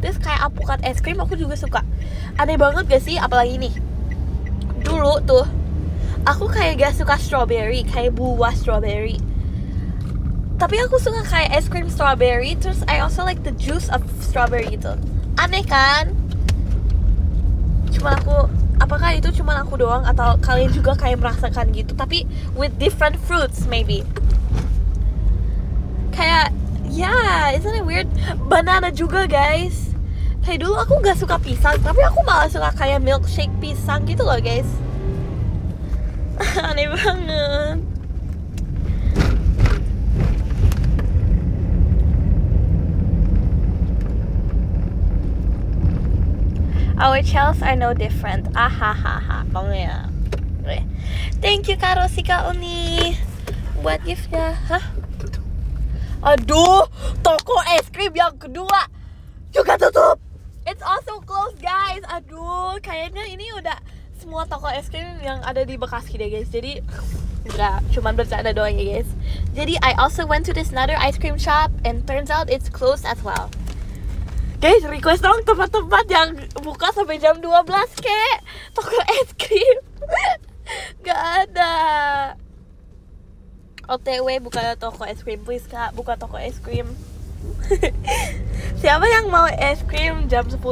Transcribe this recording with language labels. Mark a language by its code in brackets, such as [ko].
[id] Terus kayak alpukat es krim aku juga suka. Aneh banget gak sih, apalagi ini. Dulu tuh aku kayak gak suka strawberry, kayak buah strawberry. Tapi aku suka kayak es krim strawberry. [en] Terus I also like the juice of strawberry itu. [id] Aneh kan? Cuma aku, apakah itu cuma aku doang atau kalian juga kayak merasakan gitu? [en] Tapi with different fruits maybe. Kayak, yeah, isn't it weird? Banana juga guys. [id] Kayak dulu aku gak suka pisang, tapi aku malah suka kayak milkshake pisang gitu loh guys. Aneh banget. [en] Our shells are no different. Ahahaha, bang ya. Thank you Kak Rosika Uni [id] buat giftnya. [en] Hah? [id] Aduh, toko es krim yang kedua juga tutup. [en] It's also closed guys. [id] Aduh, kayaknya ini udah semua toko es krim yang ada di Bekasi deh guys. Jadi enggak, cuman bercanda doang ya guys. [en] Jadi I also went to this another ice cream shop and turns out it's closed as well. [id] Guys, request dong tempat-tempat yang buka sampai jam 12 kek. Toko es krim enggak ada. OTW buka toko es krim please Kak, buka toko es krim. Siapa yang mau es krim jam 10?